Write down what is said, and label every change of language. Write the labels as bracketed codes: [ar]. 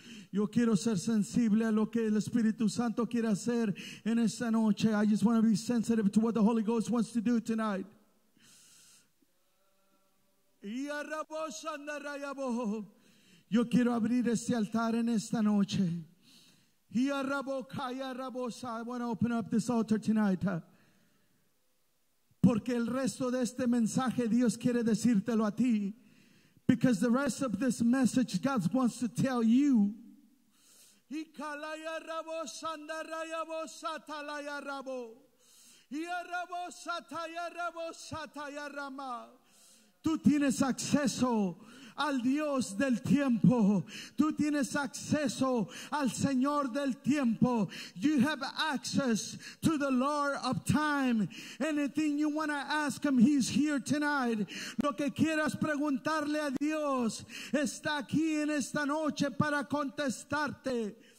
[es] Yo quiero ser sensible a lo que el Espíritu Santo quiere hacer en esta noche. [en] I just want to be sensitive to what the Holy Ghost wants to do tonight. [es] Yo quiero abrir este altar en esta noche. [en] I want to open up this altar tonight. [es] Porque el resto de este mensaje Dios quiere decírtelo a ti. [en] Because the rest of this message God wants to tell you. Y calaya rabo sandaraya bo satalaya rabo. Y rabo sataya rabo sataya rama. [es] Tú tienes acceso al Dios del tiempo. Tú tienes acceso al Señor del tiempo. [en] You have access to the Lord of time. Anything you want to ask him, he's here tonight. [es] Lo que quieras preguntarle a Dios está aquí en esta noche para contestarte.